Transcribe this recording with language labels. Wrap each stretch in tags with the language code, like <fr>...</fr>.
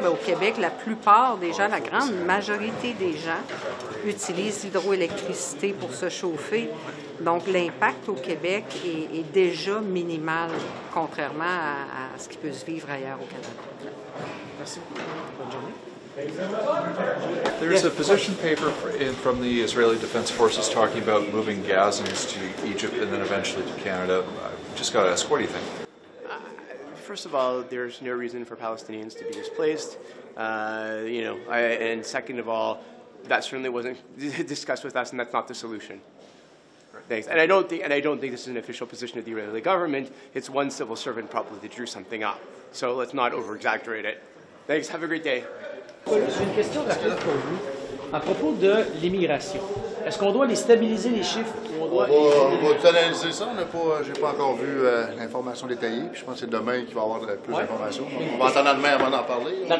<fr>Bien, au Québec, la plupart des gens, la grande majorité des gens, utilisent l'hydroélectricité pour se chauffer. Donc, l'impact au Québec est déjà minimal, contrairement à ce qui peut se vivre ailleurs au Canada. Merci beaucoup. Bonne journée.</fr> <en>There's a position paper from the Israeli Defense Forces talking about moving Gazans to Egypt and then eventually to Canada. I just got to ask, what do you think? First of all, there's no reason for Palestinians to be displaced. And second of all, that certainly wasn't discussed with us, and that's not the solution. Thanks. And I don't think this is an official position of the Israeli government. It's one civil servant probably that drew something up. So let's not over-exaggerate it. Thanks. Have a great day.</en> <fr>J'ai une question rapide pour vous à propos de l'immigration. Est-ce qu'on doit les stabiliser les chiffres? On va analyser ça. J'ai pas encore vu l'information détaillée. Puis je pense que c'est demain qu'il va y avoir plus d'informations. On va attendre demain avant d'en parler.</fr>